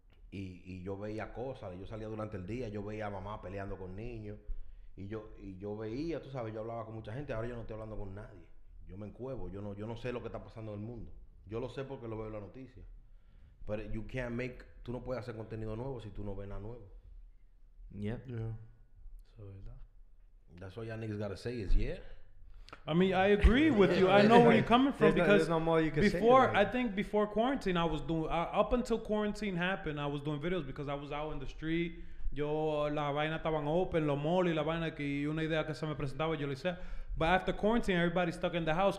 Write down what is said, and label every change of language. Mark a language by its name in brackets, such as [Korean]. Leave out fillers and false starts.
[Spanish] Y yo veía cosas, yo salía durante el día, yo veía a mamá peleando con niños, y yo veía, tú sabes, yo hablaba con mucha gente, ahora yo no estoy hablando con nadie, yo me encuevo, yo no sé lo que está pasando en el mundo, yo lo sé porque lo veo en la noticia, pero [English] you can't make, [Spanish] tú no puedes hacer contenido nuevo si tú no ves nada nuevo. [English] Yep. Yeah. [Spanish] Eso es verdad. [English] That's all y'all niggas gotta say is yeah. I mean, I agree with you. I know where you're coming from because before quarantine, I was doing, up until quarantine happened, I was doing videos because I was out in the street. [Spanish] Yo, la vaina estaban open, lo mole, la vaina que una idea que se me presentaba, yo le decía. [English] But after quarantine, everybody's stuck in the house.